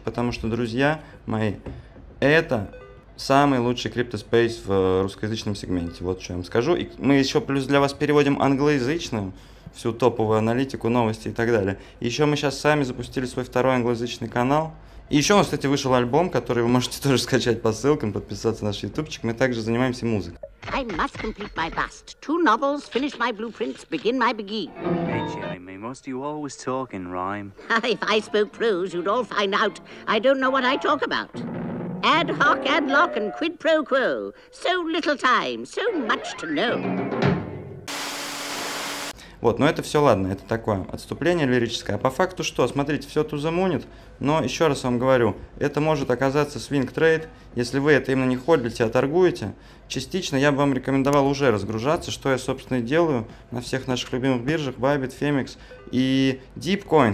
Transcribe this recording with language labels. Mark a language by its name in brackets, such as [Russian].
[Russian] Потому что, друзья мои, это самый лучший криптоспейс в русскоязычном сегменте. Вот что я вам скажу. И мы еще плюс для вас переводим англоязычную всю топовую аналитику, новости и так далее. Еще мы сейчас сами запустили свой второй англоязычный канал. И еще у нас, кстати, вышел альбом, который вы можете тоже скачать по ссылкам, подписаться на наш ютубчик. Мы также занимаемся музыкой. [English] I must complete my bust. Two novels, finish my blueprints, begin my begin. Hey, Jeremy, must you always talk in rhyme? If I spoke prose, you'd all find out. I don't know what I talk about. Ad hoc, ad lock, and quid pro quo. So little time, so much to know. [Russian] Вот, но это все ладно, это такое отступление лирическое. А по факту что? Смотрите, все тузамунит, но еще раз вам говорю, это может оказаться свинг трейд, если вы это именно не ходите, а торгуете. Частично я бы вам рекомендовал уже разгружаться, что я, собственно, и делаю на всех наших любимых биржах, Bybit, Femex и Deepcoin.